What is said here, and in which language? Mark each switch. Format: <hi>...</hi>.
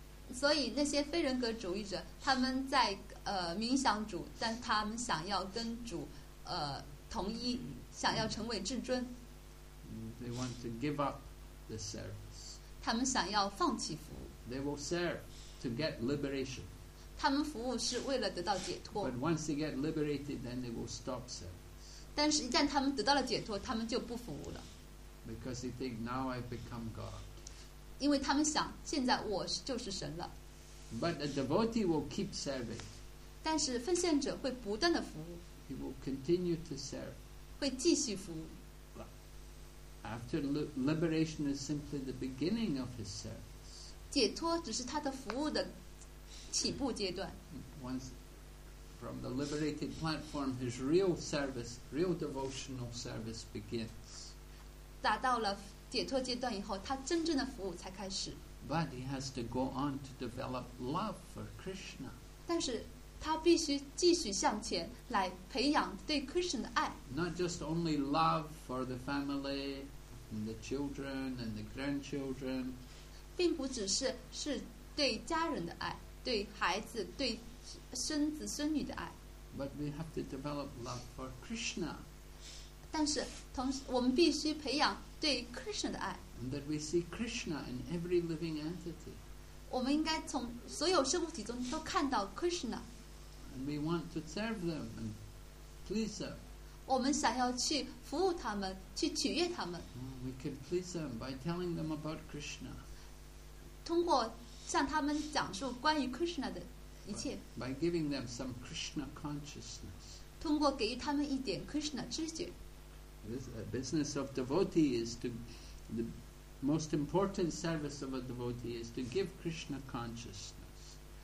<zh>所以那些非人格主义者，他们在冥想主，但他们想要跟主同一，想要成为至尊。</zh> <en>They want to give up the service.</en> <zh>他们想要放弃服务。</zh> <en>They will serve to get liberation.</en> <zh>他们服务是为了得到解脱。</zh> <en>But once they get liberated, then they will stop service.</en> <zh>但是一旦他们得到了解脱，他们就不服务了。</zh> <en>Because they think, now I've become God.</en> <zh>因为他们想，现在我就是神了。</zh> <en>But a devotee will keep serving.</en> <zh>但是奉献者会不断的服务。</zh> <en>He will continue to serve.</en> <zh>会继续服务。</zh> <en>After liberation is simply the beginning of his service.</en> <zh>解脱只是他的服务的起步阶段。</zh> <en>Once from the liberated platform, his real service, real devotional service begins.</en> <zh>达到了。解脱阶段以后，他真正的服务才开始。</zh> <en>But he has to go on to develop love for Krishna.</en> <zh>但是他必须继续向前来培养对 Krishna 的爱。</zh> <en>Not just only love for the family and the children and the grandchildren.</en> <zh>并不只是对家人的爱，对孩子、对孙子孙女的爱。</zh> <en>But we have to develop love for Krishna.</en> <zh>但是同时，我们必须培养。对 Krishna 的爱</zh> <en>and that we see Krishna in every living entity.</en> <zh>我们应该从所有生物体中都看到 Krishna.</zh> <en>And we want to serve them and please them.</en> <zh>我们想要去服务他们，去取悦他们。</zh> <en>We can please them by telling them about Krishna.</en> <zh>通过向他们讲述关于 Krishna 的一切。</zh> <en>By giving them some Krishna consciousness.</en> <zh>通过给予他们一点 Krishna 知觉。</zh> <en>The business of devotee is to the most important service of a devotee is to give Krishna consciousness.</en>